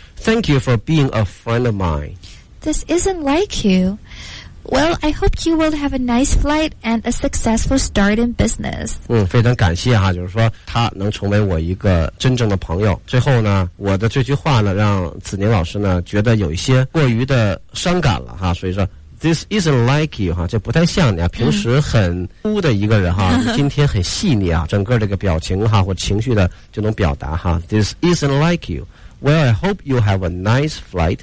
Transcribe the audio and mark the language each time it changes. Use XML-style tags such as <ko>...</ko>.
<en>Thank you for being a friend of mine This isn't like you. Well, I hope you will have a nice flight and a successful start in business.</en> <zh>非常感谢哈，就是说他能成为我一个真正的朋友。最后呢，我的这句话呢，让子宁老师呢觉得有一些过于的伤感了哈。所以说 ，</zh> <en>This isn't like you</en> <zh>哈，这不太像你啊，平时很酷的一个人哈，今天很细腻啊，整个这个表情哈或情绪的这种表达哈。</zh> <en>This isn't like you. Well, I hope you have a nice flight.</en>